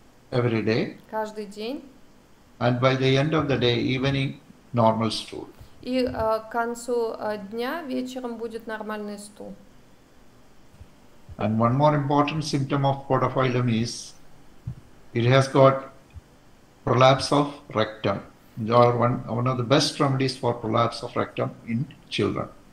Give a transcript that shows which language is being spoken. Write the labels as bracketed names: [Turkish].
[English] Every day. [Russian] Каждый день. [English] And by the end of the day, evening, normal stool. [Russian] И к концу дня, вечером будет нормальный стул. [English] And one more important symptom of podophyllum is it has got prolapse of rectum. Or one of the best remedies for prolapse of rectum in children.